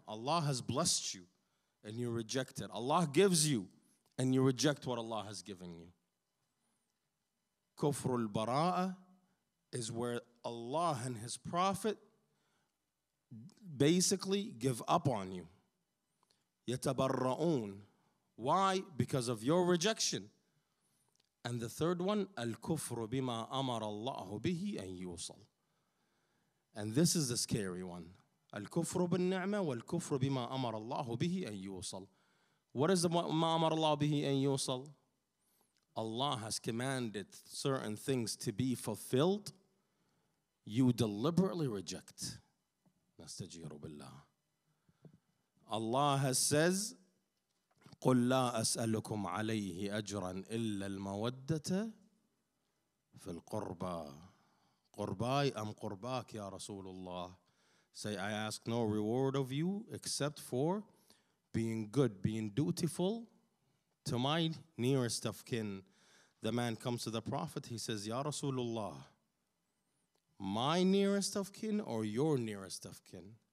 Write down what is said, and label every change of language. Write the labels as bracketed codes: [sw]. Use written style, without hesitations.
[en] Allah has blessed you and you reject it. Allah gives you and you reject what Allah has given you. Kufr al-bara'ah is where Allah and His Prophet basically give up on you. [ar] يتبرؤون. [en] Why? Because of your rejection. And the 3rd one, [ar] الكفر بما أمر الله به أن يوصل. [en] And this is the scary one. [ar] الكفر بالنعمة والكفر بما أمر الله به أن يوصل. [en] What is [ar] ما أمر الله به أن يوصل? [en] Allah has commanded certain things to be fulfilled. You deliberately reject. [ar] نستجيرُ بالله. [en] Allah has says, [ar] قُلْ لَا أَسْأَلُكُمْ عَلَيْهِ أَجْرًا إِلَّا الْمَوَدَّةَ فِي الْقُرْبَى. قُرْبَاي أَمْ قُرْبَاكَ يَا رَسُولُ اللَّهِ. [en] Say, I ask no reward of you except for being good, being dutiful to my nearest of kin. The man comes to the Prophet, he says, [ar] يَا رَسُولُ اللَّهِ, [en] my nearest of kin or your nearest of kin?